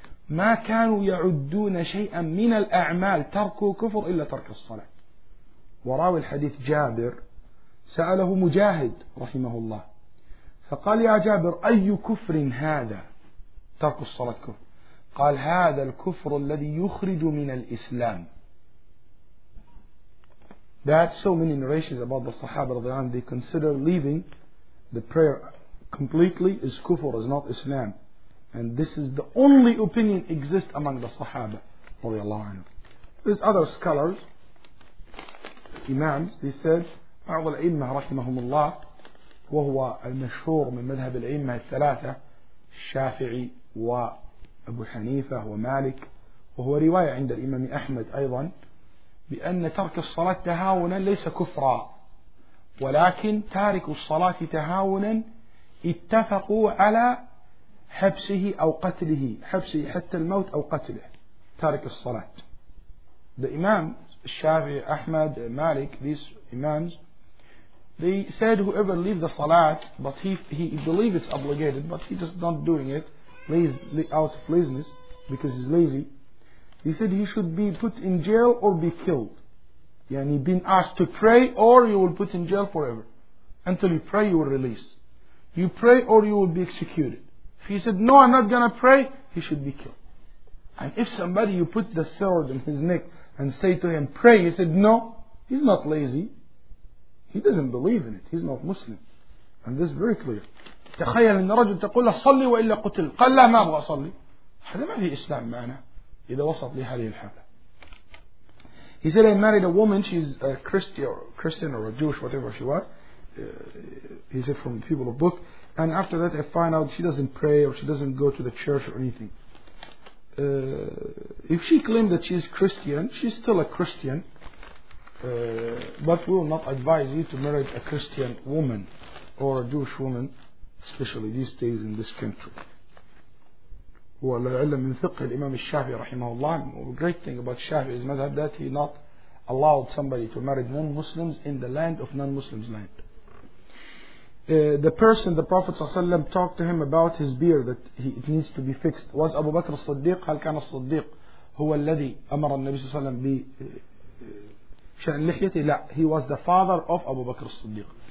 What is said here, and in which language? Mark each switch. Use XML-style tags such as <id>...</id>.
<ar>ما كانوا يعدون شيئا من الأعمال تركوا كفر إلا ترك الصلاة. وراوي الحديث جابر سأله مجاهد رحمه الله فقال يا جابر أي كفر هذا ترك الصلاة كفر؟ قال هذا الكفر الذي يخرج من الإسلام.</ar> <en>That so many narrations about the Sahaba</en> <ar>رضي الله عنهم,</ar> <en>they consider leaving the prayer completely is kufr, is not Islam. And this is the only opinion exists among the Sahaba</en> <ar>رضي الله عنهم.</ar> <en>There's other scholars, imams, they said</en> <ar>بعض الأئمة رحمهم الله وهو المشهور من مذهب الأئمة الثلاثة الشافعي وأبو حنيفة ومالك, وهو رواية عند الإمام أحمد أيضا بأن ترك الصلاة تهاونا ليس كفرا, ولكن تارك الصلاة تهاونا اتفقوا على حبسه أو قتله, حبسه حتى الموت أو قتله تارك الصلاة.</ar> <en>The Imam الشافعي أحمد مالك, these Imams, they said whoever leave the salat, but he believes it's obligated, but he just not doing it lazy, out of laziness, because he's lazy. He said he should be put in jail or be killed. Yani been asked to pray or you will put in jail forever. Until you pray, you will release. You pray or you will be executed. If he said, no, I'm not going to pray, he should be killed. And if somebody, you put the sword in his neck and say to him, pray, he said, no, he's not lazy. He doesn't believe in it. He's not Muslim. And this is very clear.</en> <ar>تخيل ان رجل تقول له صلي والا قتل, قال لا ما ابغى اصلي, هذا ما في اسلام معنا اذا وصلت لهذه الحاله.</ar> <en>He said I married a woman, she's a Christian or a Jewish, whatever she was, he said from people of book, and after that I find out she doesn't pray or she doesn't go to the church or anything. If she claimed that she's Christian, she's still a Christian, but we will not advise you to marry a Christian woman or a Jewish woman, especially these days in this country.</en> <ar>وَلَعِلَّ مِنْ ثِقْهِ الْإِمَامِ الشَّافِي رَحِمَهُ اللَّهِ.</ar> <en>The great thing about Shafi is madhab that he not allowed somebody to marry non-Muslims in the land of non-Muslims' land. The person, the Prophet ﷺ talked to him about his beard, that it needs to be fixed. Was Abu Bakr al-Siddiq,</en> <ar>هل كان الصديق هو الذي أمر النبي صلى الله عليه وسلم بشأن لحيته؟ لا,</ar> <en>he was the father of Abu Bakr al-Siddiq.</en>